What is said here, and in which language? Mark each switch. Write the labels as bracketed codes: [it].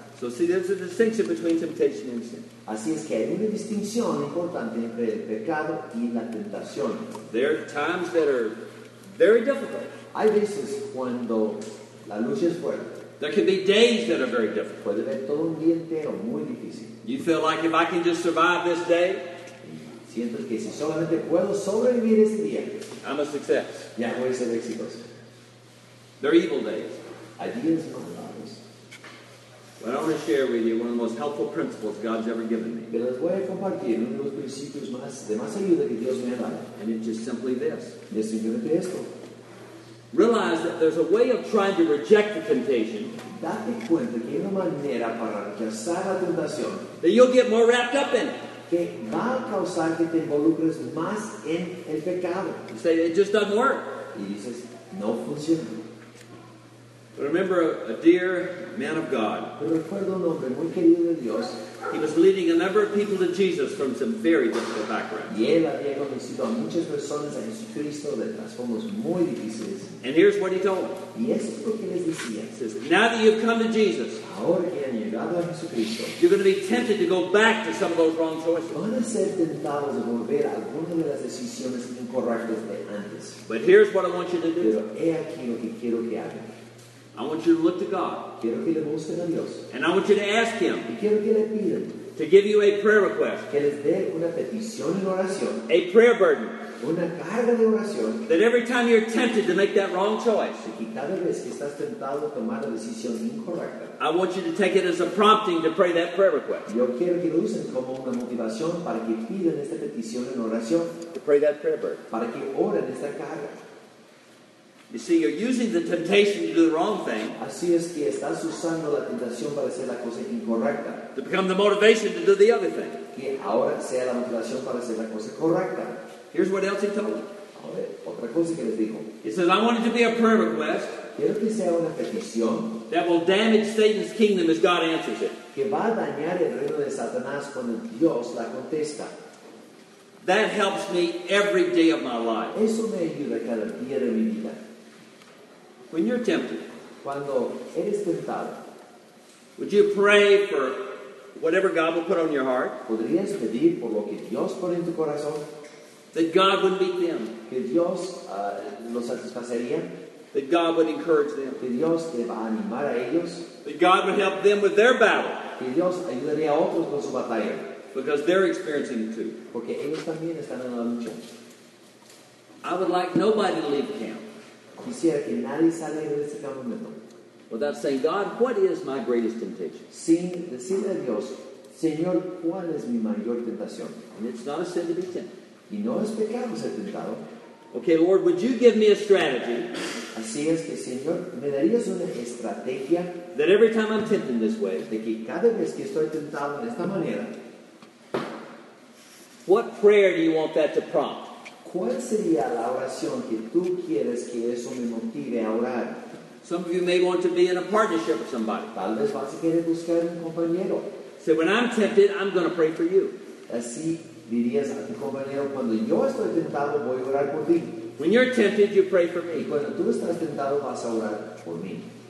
[en] So see, there's a distinction between temptation and sin. [es] Así es que hay una distinción importante entre el pecado y la tentación. [en] There are times that are very difficult. [es] Hay veces cuando la lucha es fuerte. [en] There can be days that are very difficult. [es] Puede haber todo un día entero muy difícil. [en] You feel like if I can just survive this day, [es] sientes que si solamente puedo sobrevivir ese día, [en] I'm a success. [es] Ya voy a ser exitoso. [en] They're evil days. [es] Hay días malvados. [en] But I want to share with you one of the most helpful principles God's ever given me. [es] Pero les voy a compartir uno de los principios más de más ayuda que Dios me ha dado. [en] And it's just simply this. [es] Y es simplemente esto. [en] Realize that there's a way of trying to reject the temptation. [es] Date cuenta que hay una manera para rechazar la tentación. [en] That you'll get more wrapped up in it. [es] Que va a causar que te involucres más en el pecado. [en] You say, it just doesn't work. [es] Y dices, no funciona. [en] But remember a dear man of God. [es] Pero recuerdo un hombre muy querido de Dios. [en] He was leading a number of people to Jesus from some very difficult backgrounds. [es] Y él había conocido a muchas personas a Jesucristo de trasfondos muy difíciles. [en] And here's what he told them. [es] Y eso es lo que les decía. [en] He says, now that you've come to Jesus, [es] ahora que han llegado a Jesucristo, [en] you're going to be tempted to go back to some of those wrong choices. [es] Van a ser tentados a volver a algunas de las decisiones incorrectas de antes. [en] But here's what I want you to do. [es] Pero he aquí lo que quiero que hagan. [en] I want you to look to God. [es] Quiero que le busquen a Dios. [en] And I want you to ask Him. [es] Y quiero que le pidan. [en] To give you a prayer request. [es] Que les dé una petición en oración. [en] A prayer burden. [es] Una carga de oración. [en] That every time you're tempted to make that wrong choice. [es] Y cada vez que estás tentado a tomar la decisión incorrecta. [en] I want you to take it as a prompting to pray that prayer request. [es] Yo quiero que lo usen como una motivación para que pidan esta petición en oración. [en] To pray that prayer burden. [es] Para que oren esta carga. [en] You see, you're using the temptation to do the wrong thing. [es] Así es que estás usando la tentación para hacer la cosa incorrecta. [en] To become the motivation to do the other thing. [es] Que ahora sea la motivación para hacer la cosa correcta. [en] Here's what else he told me. [es] Otra cosa que les dijo. [en] He says, I want it to be a prayer request. [es] Quiero que sea una petición. [en] That will damage Satan's kingdom as God answers it. [es] Que va a dañar el reino de Satanás cuando Dios la contesta. [en] That helps me every day of my life. [es] Eso me ayuda cada día de mi vida. [en] When you're tempted, [es] cuando eres tentado, [en] would you pray for whatever God will put on your heart? [es] ¿Podrías pedir por lo que Dios pone en tu corazón? [en] That God would meet them. [es] Que Dios lo satisfacería. [en] That God would encourage them. [es] Que Dios te va a animar a ellos. [en] That God would help them with their battle. [es] Que Dios ayudaría a otros con su batalla. [en] Because they're experiencing it too. [es] Porque ellos también están en la lucha. [en] I would like nobody to leave camp. [es] Quisiera que nadie salga de este campamento. [en] Without saying, God, what is my greatest temptation? [es] Sin decirle a Dios, Señor, ¿cuál es mi mayor tentación? [en] And it's not a sin to be tempted. [es] Y no es pecado ser tentado. [en] Okay, Lord, would you give me a strategy? [es] Así es que, Señor, ¿me darías una estrategia? [en] That every time I'm tempted this way, [es] de que cada vez que estoy tentado de esta manera, [en] what prayer do you want that to prompt? [es] ¿Cuál sería la oración que tú quieres que eso me motive a orar? [en] Some of you may want to be in a partnership with somebody. [es] Tal vez vas a querer buscar un compañero. [en] So when I'm tempted, I'm going to pray for you. [es] Así dirías a tu compañero, cuando yo estoy tentado, voy a orar por ti. [en] When you're tempted, you pray for me. [es] Y cuando tú estás tentado, vas a orar por mí.